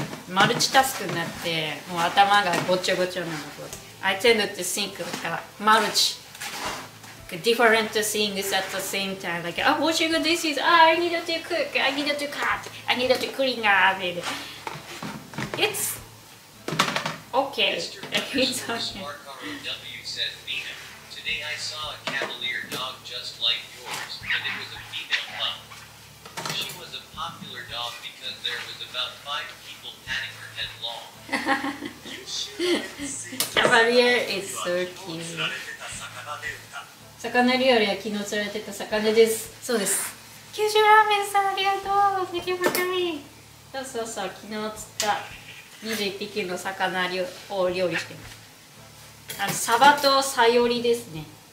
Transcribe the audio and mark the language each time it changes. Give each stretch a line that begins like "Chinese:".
Japanese: マルチタスクになって、もう頭がごちゃごちゃなの。
English: I tend to think like multi, like different things at the same time. Like, oh, washing the dishes. Oh, I need to cook. I need to cut. I need to clean up. It's okay. Smart Car W said, Mina, today I saw a cavalier dog just like yours, but it was a female pup. She was a popular dog because there was about 5 people patting her head long. Cavalier is so cute.
Japanese: 魚料理は昨日釣られてた魚です。そうです。九州ラーメンさんありがとう。素敵な髪。そうそうそう。昨日釣った21匹の魚を料理してます。あのサバとサヨリですね。